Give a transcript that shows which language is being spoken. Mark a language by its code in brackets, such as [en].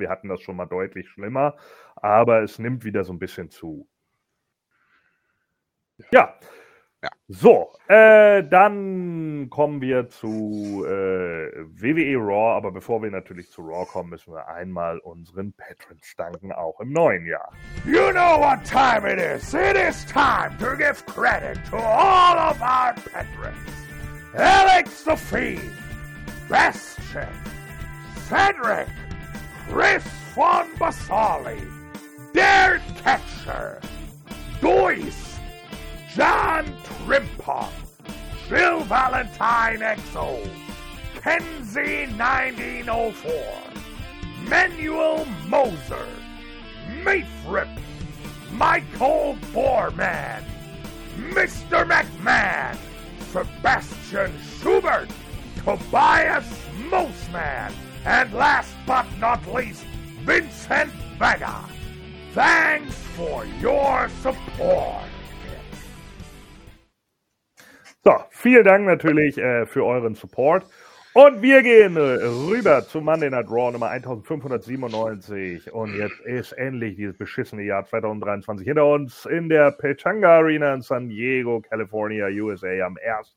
[de] Wir hatten das schon mal deutlich schlimmer. Aber es nimmt wieder so ein bisschen zu. Ja. Ja. So, dann kommen wir zu WWE Raw. Aber bevor wir natürlich zu Raw kommen, müssen wir einmal unseren Patrons danken, auch im neuen Jahr. [en] You know what time it is. It is time to give credit to all of our Patrons. Alex the Fiend, Bastion, Cedric, Chris von Basali, Dare Catcher, Dois, John Trimpop, Jill Valentine XO, Kenzie 1904, Manuel Moser, Mayfrip, Michael Boorman, Mr. McMahon, Sebastian Schubert, Tobias Mosman, and last but not least, Vincent Vega. Thanks for your support. [de] So, vielen Dank natürlich für euren Support. Und wir gehen rüber zu Monday Night Raw Nummer 1597. Und jetzt ist endlich dieses beschissene Jahr 2023 hinter uns in der Pechanga Arena in San Diego, California, USA am 1.